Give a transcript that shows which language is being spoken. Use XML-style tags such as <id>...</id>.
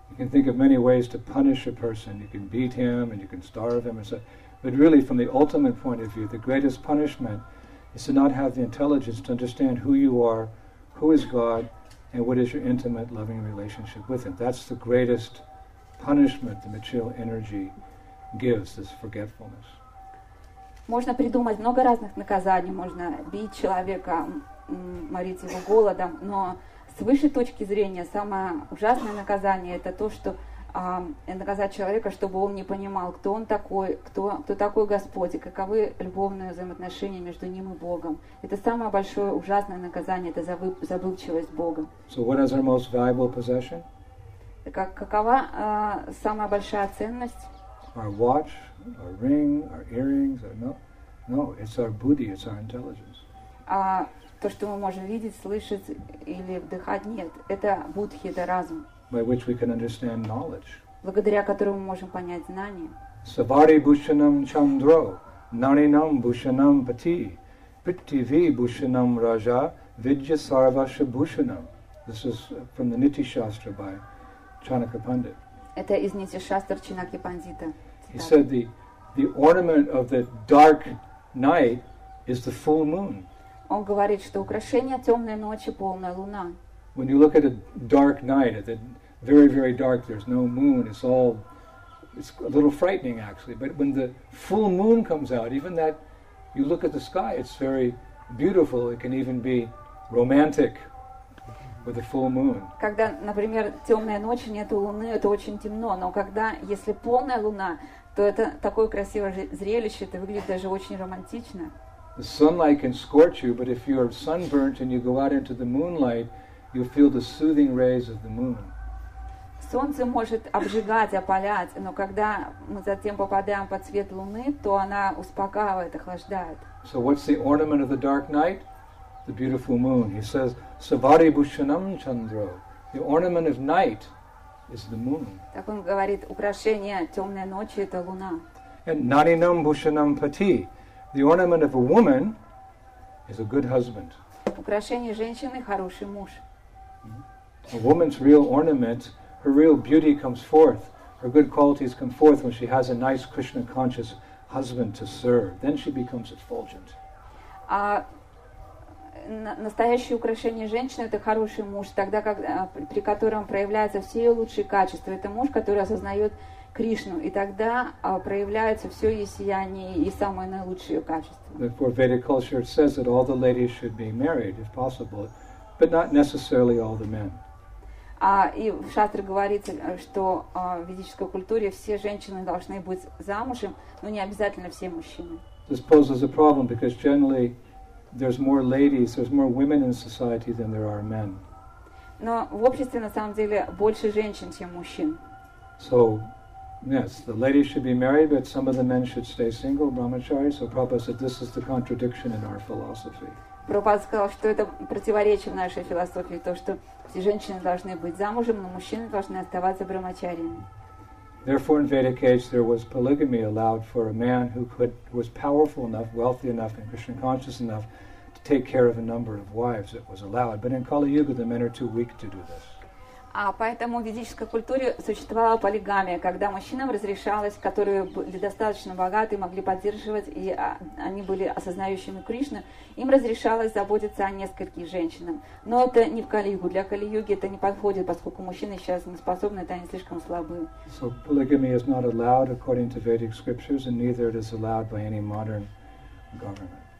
<en>You can think of many ways to punish a person. You can beat him and you can starve him and so, but really from the ultimate point of view, the greatest punishment is to not have the intelligence to understand who you are. Who is God, and what is your intimate, loving relationship with Him? That's the greatest punishment the material energy gives, this forgetfulness.</en> <ru>Можно придумать много разных наказаний. Можно бить человека, морить его голодом. Но с высшей точки зрения, самое ужасное наказание – это то, что наказать человека, чтобы он не понимал, кто он такой, кто такой Господь, и каковы любовные взаимоотношения между ним и Богом. Это самое большое ужасное наказание, это забывчивость Бога.</ru> <en>So what is our most valuable possession?</en> <ru>Какова самая большая ценность?</ru> <en>Our watch, our ring, our earrings, our no, it's our buddhi, it's our intelligence.</en> <ru>То, что мы можем видеть, слышать или вдыхать, нет, это будхи, это разум.</ru> <en>By which we can understand knowledge.</en> <ru>Благодаря которому мы можем понять знания.</ru> <sa>Савари бушанам чандро, нари нам бушанам пати, prithivi bhushanam raja vidya sarvasya bhushanam.</sa> <en>This is from the Niti Shastra by Chanaka Pandit.</en> <ru>Это из Niti Shastra Chanaka Pandit.</ru> <en>He said the ornament of the dark night is the full moon.</en> <ru>Он говорит, что украшение темной ночи полная луна.</ru> <en>When you look at a dark night, at the very, very dark, there's no moon, it's a little frightening actually. But when the full moon comes out, even that, you look at the sky, it's very beautiful, it can even be romantic with a full moon.</en> <ru>Когда, например, темная ночь, нет луны, это очень темно, но когда, если полная луна, то это такое красивое зрелище, это выглядит даже очень романтично.</ru> <en>The sunlight can scorch you, but if you're sunburnt and you go out into the moonlight, you feel the soothing rays of the moon.</en> <ru>Солнце может обжигать, опалять, но когда мы затем попадаем под свет луны, то она успокаивает, охлаждает.</ru> <en>So what's the ornament of the dark night? The beautiful moon. He says,</en> <sa>Savari Bhushanam Chandra.</sa> <en>The ornament of night is the moon.</en> <ru>Так он говорит, украшение темной ночи это луна.</ru> <sa>And Naninam Bhushanam Pati.</sa> <en>The ornament of a woman is a good husband.</en> <ru>Украшение женщины хороший муж.</ru> <en>A woman's real ornament, her real beauty comes forth, her good qualities come forth when she has a nice Krishna conscious husband to serve. Then she becomes effulgent.</en> <ru>Настоящее украшение женщины это хороший муж, тогда как при котором проявляются все ее лучшие качества. Это муж, который осознает Кришну, и тогда проявляется все ее сияние и самое наилучшее качество.</ru> <en>Therefore, Vedic culture says that all the ladies should be married, if possible, but not necessarily all the men.</en> <ru>И в шастре говорится, что в ведической культуре все женщины должны быть замужем, но не обязательно все мужчины.</ru> <en>This poses a problem because generally there's more ladies, there's more women in society than there are men.</en> <ru>Но в обществе на самом деле больше женщин, чем мужчин.</ru> <en>So, yes, the ladies should be married, but some of the men should stay single, brahmachari. So Prabhupada said this is the contradiction in our philosophy.</en> <ru>Прабхупада сказал, что это противоречие в нашей философии, то, что все женщины должны быть замужем, но мужчины должны оставаться брахмачариями.</ru> <en>Therefore, in Vedic age, there was polygamy allowed for a man who was powerful enough, wealthy enough, and Krishna conscious enough to take care of a number of wives. It was allowed. But in Kali Yuga, the men are too weak to do this.</en> <ru>Поэтому в ведической культуре существовала полигамия, когда мужчинам разрешалось, которые были достаточно богаты, могли поддерживать, и они были осознающими Кришну, им разрешалось заботиться о нескольких женщинах. Но это не в Кали-Югу. Для Кали-Юги это не подходит, поскольку мужчины сейчас не способны, это они слишком слабые.</ru> <en>So polygamy is not allowed according to Vedic scriptures, and neither it is allowed by any modern government.</en>